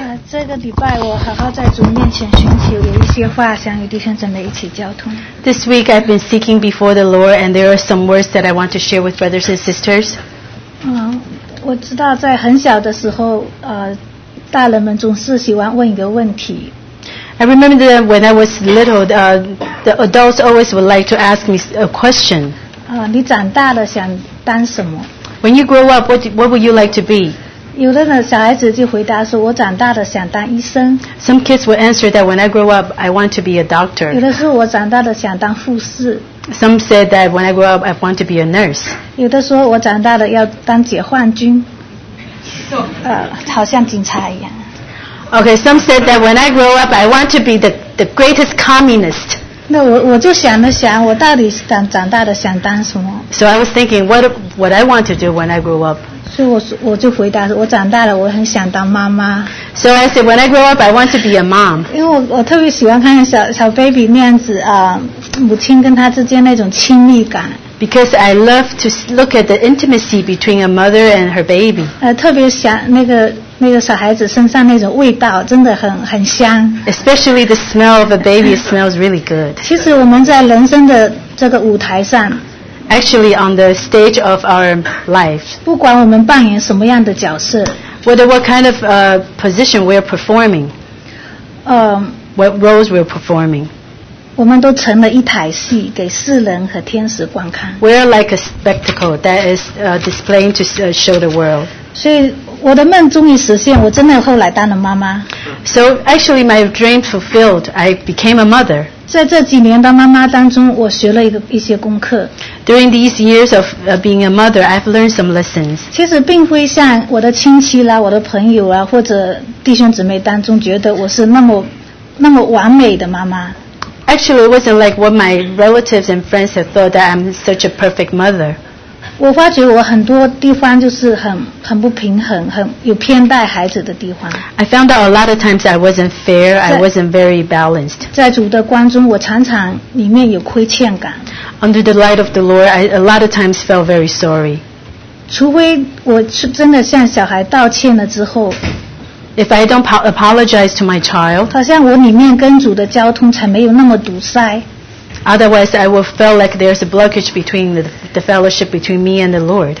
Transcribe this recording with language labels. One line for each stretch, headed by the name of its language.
Chinese: 这个礼拜我好好在主面前寻求，有一些话想与弟兄姊妹一起交通。
English: This week I've been seeking before the Lord, and there are some words that I want to share with brothers and sisters.
Chinese: 我知道在很小的时候，大人们总是喜欢问一个问题。
English: I remember that when I was little, the adults always would like to ask me a question.
Chinese: 你长大了想当什么？
English: When you grow up, what would you like to be?
Chinese: 有的小孩子就回答说我长大了想当医生。
English: Some kids will answer that when I grow up, I want to be a doctor.
Chinese: 有的时候我长大了想当护士。
English: Some said that when I grow up, I want to be a nurse.
Chinese: 有的说我长大了要当解放军。好像警察一样。
English: Okay, some said that when I grow up, I want to be the greatest communist.
Chinese: 那我就想了想我到底长大了想当什么。
English: So I was thinking, what I want to do when I grow up.
Chinese: 所以我就回答我长大了我很想当妈妈。
English: So I said when I grow up I want to be a mom.
Chinese: 因为我特别喜欢看小 baby 那样子母亲跟他之间那种亲密感。
English: Because I love to look at the intimacy between a mother and her baby.
Chinese: 特别想那个小孩子身上那种味道真的很香。
English: Especially the smell of a baby smells really good.
Chinese: 其实我们在人生的这个舞台上
English: Actually, on the stage of our life,
Chinese: 不管我们扮演什么样的角色
English: whether what kind of position we're performing, what roles we're performing,
Chinese: 我们都成了一台戏给世人和天使观看
English: We're like a spectacle that is displaying to show the world.
Chinese: 所以我的梦终于实现，我真的后来当了妈妈
English: So actually, my dream fulfilled. I became a mother.
Chinese: 在这几年当妈妈当中，我学了一些功课。
English: During these years of being a mother, I've learned some lessons.
Chinese: 其实并非像我的亲戚啦、我的朋友啊，或者弟兄姊妹当中觉得我是那么完美的妈妈。
English: Actually, it wasn't like what my relatives and friends have thought that I'm such a perfect mother.
Chinese: 我发觉我很多地方就是很不平衡，很有偏待孩子的地方。
English: I found out a lot of times I wasn't fair, I wasn't very balanced.
Chinese: 在主的光中，我常常里面有亏欠感。
English: Under the light of the Lord, I a lot of times felt very sorry.
Chinese: 除非我是真的向小孩道歉了之后。
English: If I don't apologize to my child.
Chinese: 好像我里面跟主的交通才没有那么堵塞。
English: Otherwise, I will feel like there's a blockage between the fellowship between me and the Lord.